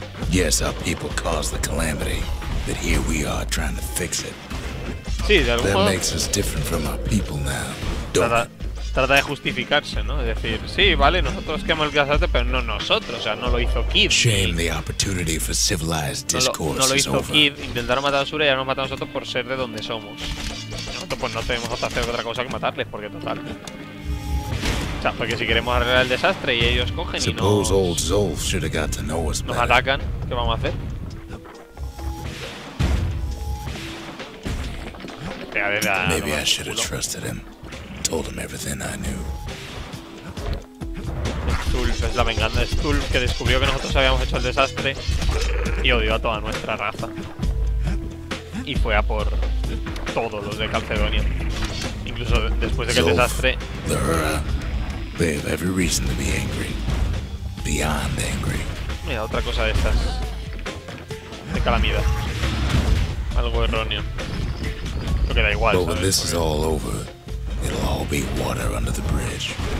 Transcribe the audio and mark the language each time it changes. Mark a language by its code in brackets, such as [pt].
[en] Yes, our people caused the calamity, but here we are trying to fix it. [es] Sí, de algún modo. [en] That makes us different from our people now. [es] Trata de justificarse, ¿no? Es decir, sí, vale, nosotros que malgastaste, pero no nosotros, o sea, no lo hizo Kid. [en] Shame the opportunity for civilized discourse. [es] No lo hizo Kid, intentar matar a Sura y ya nos mata a nosotros por ser de donde somos. Nosotros pues no tenemos otra hacer otra cosa que matarles, porque total. O sea, porque si queremos arreglar el desastre y ellos cogen y nos atacan, ¿qué vamos a hacer? [en] Maybe I should have trusted him. Told him everything I knew. [es] Stulf es la venganza de Stulf, que descubrió que nosotros habíamos hecho el desastre y odió a toda nuestra raza. Y fue a por todos los de Calcedonia. Incluso después de que el desastre. [en] Lura, they have every reason to be angry. Beyond angry. [es] Mira, otra cosa de estas. De calamidad. Algo erróneo. Que da igual, [en] but when this is all over, it'll all be water under the bridge.